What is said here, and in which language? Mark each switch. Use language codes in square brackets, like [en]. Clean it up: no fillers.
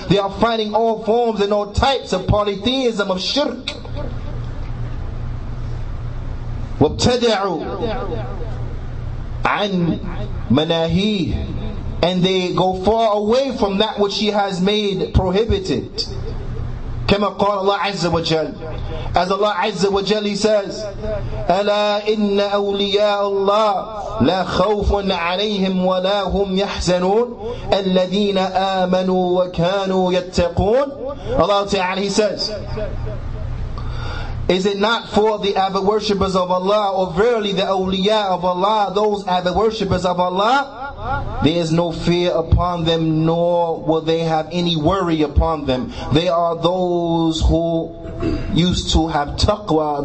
[en] They are fighting all forms and all types of polytheism of shirk. [ar] وَابْتَدَعُوا عَنْ مَنَاهِيهِ. [en] And they go far away from that which he has made prohibited. [ar] كما قال الله عز وجل. [en] As Allah عز وجل He says, [ar] ألا إن أولياء الله لا خوف عليهم ولا هم يحزنون الذين آمنوا وكانوا يتقون. [en] Allah تعالى He says, Is it not for the avid worshippers of Allah, or verily the awliya of Allah, those avid worshippers of Allah, there is no fear upon them, nor will they have any worry upon them. They are those who used to have taqwa.